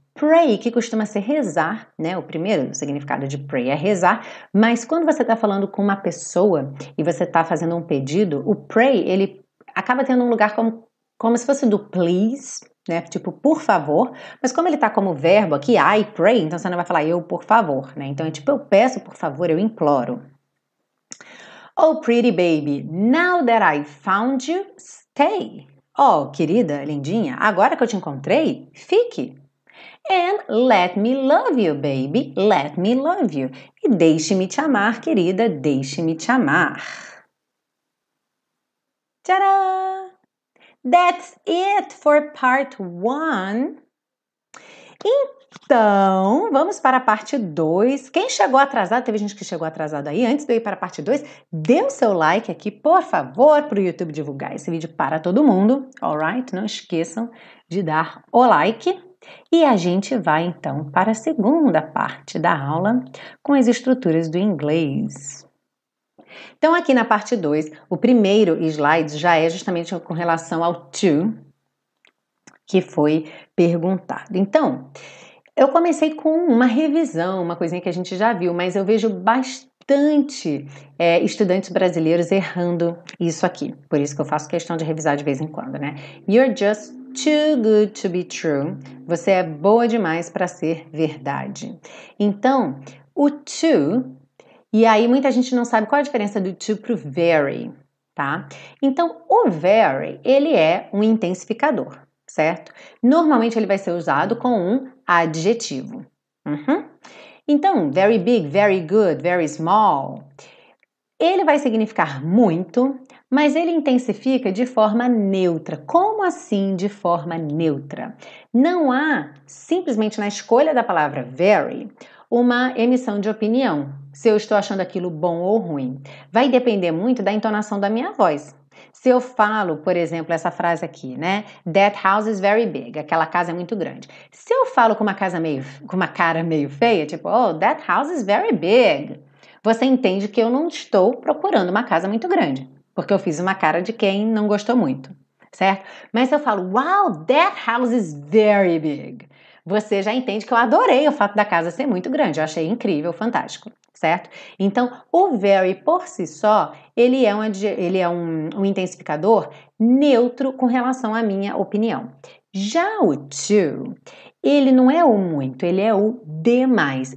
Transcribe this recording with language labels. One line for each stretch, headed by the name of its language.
Portuguese: Pray, que costuma ser rezar, né? O primeiro significado de pray é rezar, mas quando você está falando com uma pessoa e você está fazendo um pedido, o pray, ele acaba tendo um lugar como se fosse do please, né? Tipo, por favor, mas como ele está como verbo aqui,
English: I pray,
Portuguese: então você não vai falar eu por favor, né? Então é tipo, eu peço por favor, eu imploro.
English: Oh, pretty baby, now that I found you, stay.
Portuguese: Oh, querida, lindinha, agora que eu te encontrei, fique.
English: And let me love you, baby, let me love you.
Portuguese: E deixe-me te amar, querida, deixe-me te amar.
English: Tchará! That's it for part one.
Portuguese: Então, vamos para a parte 2. Quem chegou atrasado, teve gente que chegou atrasado aí, antes de eu ir para a parte 2, dê o seu like aqui, por favor, para o YouTube divulgar esse vídeo para todo mundo, alright? Não esqueçam de dar o like. E a gente vai, então, para a segunda parte da aula com as estruturas do inglês. Então, aqui na parte 2, o primeiro slide já é justamente com relação ao to, que foi perguntado. Então, eu comecei com uma revisão, uma coisinha que a gente já viu, mas eu vejo bastante estudantes brasileiros errando isso aqui. Por isso que eu faço questão de revisar de vez em quando, né?
English: You're just too good to be true.
Portuguese: Você é boa demais para ser verdade. Então, o to, e aí muita gente não sabe qual a diferença do to pro very, tá? Então, o very, ele é um intensificador, certo? Normalmente ele vai ser usado com um adjetivo. Uhum. Então,
English: very big, very good, very small.
Portuguese: Ele vai significar muito, mas ele intensifica de forma neutra. Como assim de forma neutra? Não há, simplesmente na escolha da palavra very, uma emissão de opinião, se eu estou achando aquilo bom ou ruim. Vai depender muito da entonação da minha voz. Se eu falo, por exemplo, essa frase aqui, né?
English: That house is very big.
Portuguese: Aquela casa é muito grande. Se eu falo com uma cara meio feia, tipo,
English: oh, that house is very big.
Portuguese: Você entende que eu não estou procurando uma casa muito grande, porque eu fiz uma cara de quem não gostou muito, certo? Mas se eu falo,
English: wow, that house is very big.
Portuguese: Você já entende que eu adorei o fato da casa ser muito grande. Eu achei incrível, fantástico, certo? Então, o very por si só, ele é um intensificador neutro com relação à minha opinião. Já o to, ele não é o muito, ele é o demais.